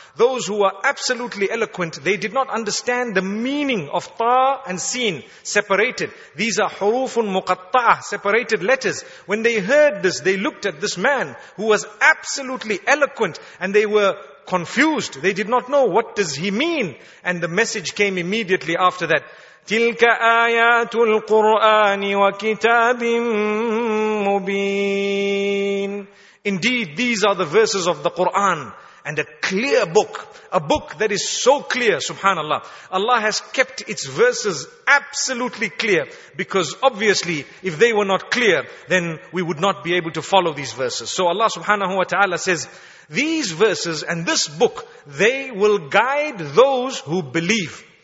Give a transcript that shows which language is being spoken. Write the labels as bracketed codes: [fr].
[en] Those who were absolutely eloquent, they did not understand the meaning of ta and seen, separated. These are hurufun muqatta'ah, separated letters. When they heard this, they looked at this man who was absolutely eloquent and they were confused. They did not know what does he mean. And the message came immediately after that. [ar] تِلْكَ آيَاتُ الْقُرْآنِ وَكِتَابٍ مُبِينٍ. [en] Indeed, these are the verses of the Qur'an and a clear book. A book that is so clear, subhanallah. Allah has kept its verses absolutely clear. Because obviously, if they were not clear, then we would not be able to follow these verses. So Allah subhanahu wa ta'ala says, these verses and this book, they will guide those who believe.